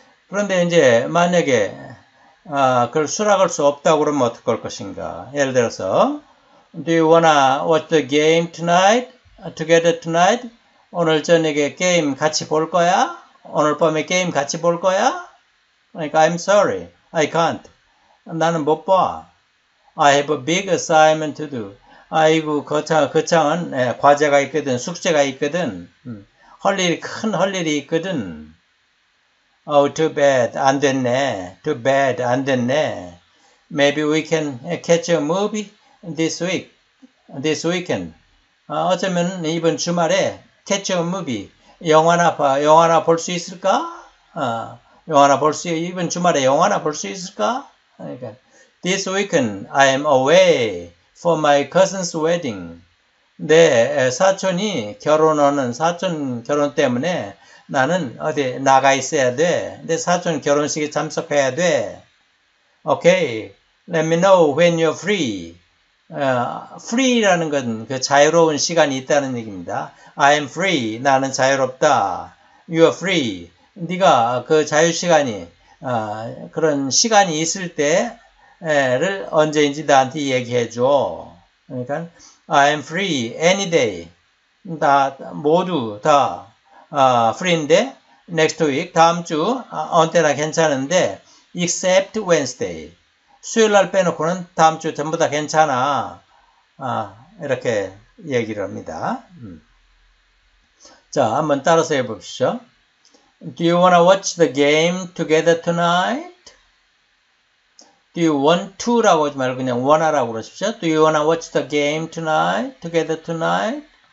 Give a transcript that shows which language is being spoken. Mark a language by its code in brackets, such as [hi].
[ko] 그런데 이제 만약에 그걸 수락할 수 없다고 그러면 어떻게 할 것인가? 예를 들어서 [en] Do you wanna watch the game tonight? Together tonight? [ko] 오늘 저녁에 게임 같이 볼 거야? 오늘 밤에 게임 같이 볼 거야? [en] Like, I'm sorry. I can't. [ko] 나는 못 봐. [en] I have a big assignment to do. [ko] 아이고, 거창은 네, 과제가 있거든, 숙제가 있거든. 할 일이, 큰 할 일이 있거든. [en] Oh, too bad. [ko] 안 됐네. [en] Too bad. 안 됐네. Maybe we can catch a movie this week. This weekend. [ko] 어쩌면 이번 주말에 [en] catch a movie. [ko] 영화나 볼 수 있을까? 이번 주말에 영화나 볼 수 있을까? 그러니까. [en] This weekend, I am away for my cousin's wedding. [ko] 내 사촌이 결혼하는 사촌 결혼 때문에 나는 어디 나가 있어야 돼. 내 사촌 결혼식에 참석해야 돼. [en] Okay, let me know when you're free. [ko] Free라는 건 그 자유로운 시간이 있다는 얘기입니다. [en] I am free. [ko] 나는 자유롭다. [en] You are free. [ko] 네가 그 자유시간이, 그런 시간이 있을 때 를 언제인지 나한테 얘기해 줘. 그러니까 [en] I am free any day. [ko] 다 모두 다 free인데 [en] next week [ko] 다음 주 언제나 괜찮은데 [en] except Wednesday. [ko] 수요일날 빼놓고는 다음 주 전부 다 괜찮아. 이렇게 얘기를 합니다. 자, 한번 따라서 해봅시다. [en] Do you wanna watch the game together tonight? Do you want to [ko] 라고 하지 말고 그냥 [en] wanna [ko] 라고 그러십시오. [en] Do you wanna watch the game tonight? Together tonight?